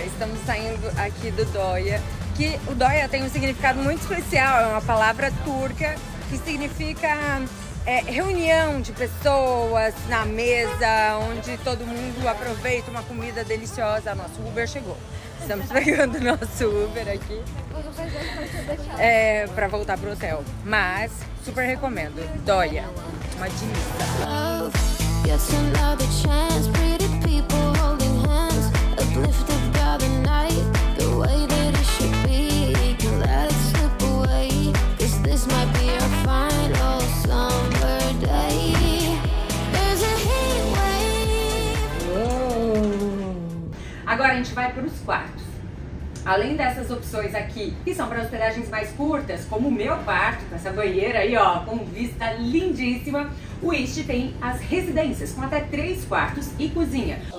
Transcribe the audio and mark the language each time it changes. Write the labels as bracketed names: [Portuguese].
[Portuguese] Estamos saindo aqui do Doya, que o Doya tem um significado muito especial, é uma palavra turca que significa reunião de pessoas na mesa, onde todo mundo aproveita uma comida deliciosa. Nosso Uber chegou, estamos pegando nosso Uber aqui para voltar pro hotel, mas super recomendo, Doya, uma delícia. [English] Yes, another chance. Pretty people holding hands, uplifted by the night, the way that it should be. Can let it slip away, 'cause this might be our final summer day. There's a heat wave. [Portuguese] Agora a gente vai para os quartos. Além dessas opções aqui, que são para hospedagens mais curtas, como o meu quarto, com essa banheira aí, ó, com vista lindíssima. O East tem as residências, com até 3 quartos e cozinha.